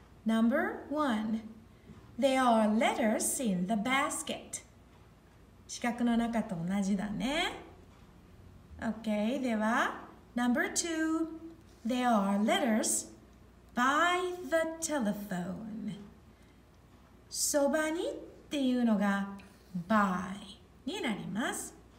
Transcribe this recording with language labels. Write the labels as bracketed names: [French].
[English] Number one, there are letters in the basket. [Japanese] 四角の中と同じだね。OK, では [English] Number two, there are letters by the telephone. [Japanese] そばにっていうのが by になります。